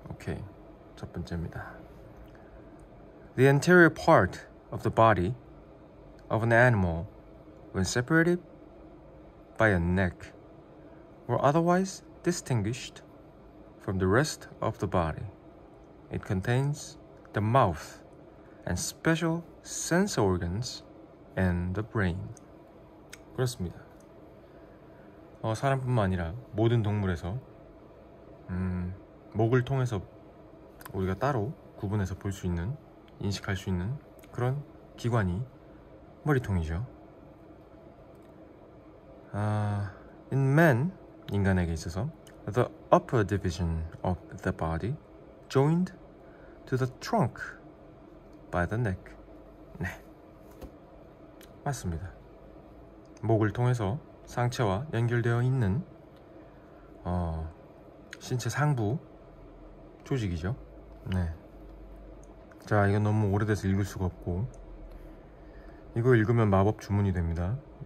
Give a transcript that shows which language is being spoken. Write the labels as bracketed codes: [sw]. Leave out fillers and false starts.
[en] Okay, [ko] 첫 번째입니다. [en] The anterior part of the body of an animal when separated by a neck or otherwise distinguished from the rest of the body. It contains the mouth and special sense organs and the brain. [ko] 그렇습니다. 사람뿐만 아니라 모든 동물에서 목을 통해서 우리가 따로 구분해서 볼 수 있는 인식할 수 있는 그런 기관이 머리통이죠. [en] In men, [ko] 인간에게 있어서 [en] the upper division of the body joined to the trunk by the neck. [ko] 네, 맞습니다. 목을 통해서 상체와 연결되어 있는 신체 상부 조직이죠. 네. 자, 이건 너무 오래돼서 읽을 수가 없고 이거 읽으면 마법 주문이 됩니다.